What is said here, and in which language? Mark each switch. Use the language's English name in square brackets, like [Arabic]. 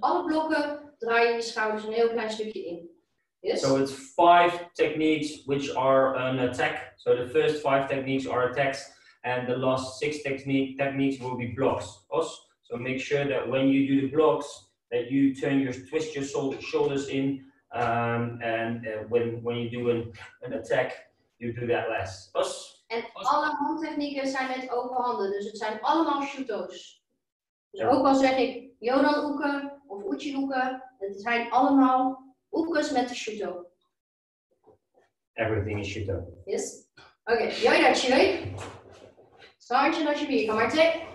[Dutch] Alle blokken draai je schouders een heel klein stukje in. [English] Yes? So it's 5 techniques which are an attack. So the first 5 techniques are attacks and the last 6 techniques will be blocks. Os. So make sure that when you do the blocks that you turn your twist your shoulders in when you do an attack you do that less. Os. [Dutch] En alle handtechnieken zijn met open handen, dus het zijn allemaal shooto's. Dus ook al zeg ik Yoran Uke of Uchi Uke, het zijn allemaal Ukes met de Shuto. [English] Everything is Shuto. [Dutch] Yes. Oké, okay. Yoidachi, hoi. Sanjin Dachibi, kom maar te.